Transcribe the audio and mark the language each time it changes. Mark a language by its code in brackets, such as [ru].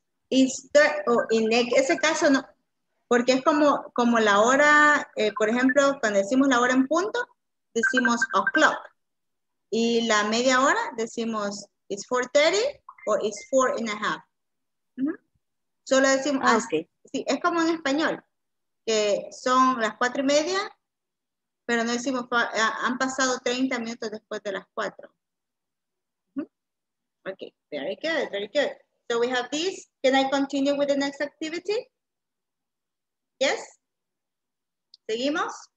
[es] Is ese caso no, porque es como la hora, por ejemplo, cuando decimos la hora en punto, decimos o'clock. Y la media hora decimos [en] it's 4:30 or it's 4:30. Mm-hmm. [es] Solo decimos sí, es como en español, que son las 4:30, pero no decimos han pasado 30 minutos después de las 4. [en] Okay, very good, very good. So we have this. Can I continue with the next activity? Yes? [es] ¿Seguimos?